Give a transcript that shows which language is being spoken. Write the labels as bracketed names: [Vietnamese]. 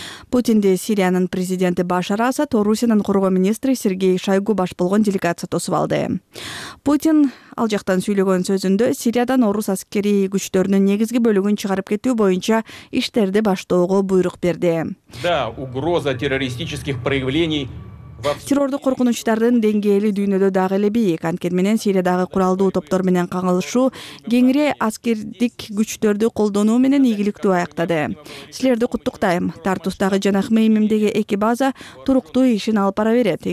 [Kyrgyz] Путинди Сириянын президенти Башар Асад, Орусиянын коргоо министри Сергей Шойгу баш болгон делегация тосуп алды. Путин ал жактан сүйлөгөн сөзүндө Сириядан орус аскерий күчтөрүнүн негизги бөлүгүн чыгарып кетүү боюнча иштерди баштоого буйрук берди. [Russian] Да, угроза террористических проявлений. [Kyrgyz] Террордук коркунучтардын деңгээли дүйнөдө дагы эле бийик. Анткени менен Сириядагы куралдуу топтор менен кагылышуу кеңири аскердик күчтөрдү колдонуу менен ийгиликтүү аяктады. Силерди куттуктайм. Тартустагы жана Хмеймимдеги эки база туруктуу ишин алып бара берет.